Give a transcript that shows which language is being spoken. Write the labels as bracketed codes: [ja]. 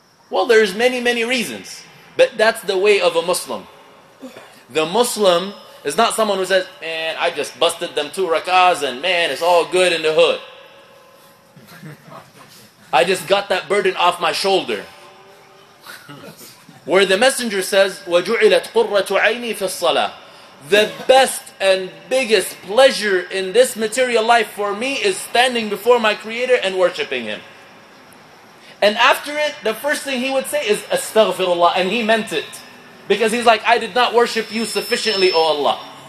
[en] Well, there's many, many reasons. But that's the way of a Muslim. The Muslim is not someone who says, man, I just busted them two rak'ahs and man, it's all good in the hood. I just got that burden off my shoulder. Where the Messenger says, [ar] وَجُعِلَتْ قُرَّةُ عَيْنِي فِي الصَّلَةِ. [en] The best and biggest pleasure in this material life for me is standing before my Creator and worshipping Him. And after it, the first thing he would say is, Astaghfirullah, and he meant it. Because he's like, I did not worship you sufficiently, O Allah.